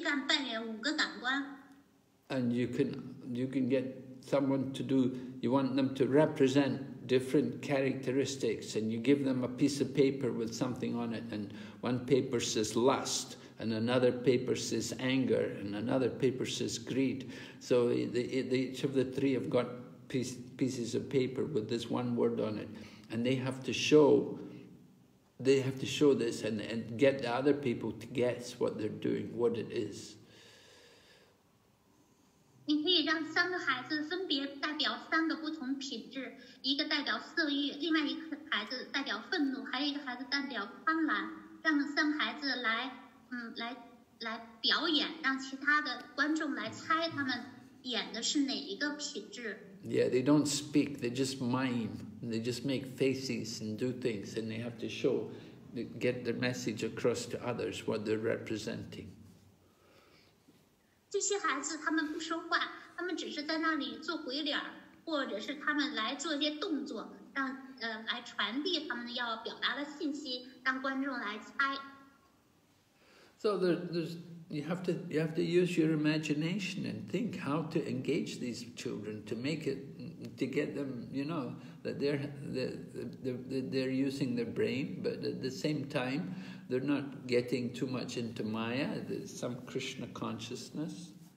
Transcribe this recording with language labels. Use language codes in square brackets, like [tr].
[en] And you can get someone to do, you want them to represent different characteristics, and you give them a piece of paper with something on it, and one paper says lust, and another paper says anger, and another paper says greed. So each of the three have got pieces of paper with this one word on it, and they have to show this and get the other people to guess what they're doing, what it is. [zh] 你可以让三个孩子分别代表三个不同品质，一个代表色欲，另外一个孩子代表愤怒，还有一个孩子代表贪婪，让三个孩子来来表演，让其他的观众来猜他们演的是哪一个品质。 [en] Yeah, they don't speak, they just mime, and they just make faces and do things, and they have to show, get the message across to others what they're representing. [zh] 这些孩子他们不说话，他们只是在那里做鬼脸，或者是他们来做一些动作，让来传递他们要表达的信息，让观众来猜。 [en] So you have to use your imagination and think how to engage these children to make it, to get them, you know, that they're using their brain, but at the same time, they're not getting too much into Maya, some Krishna consciousness.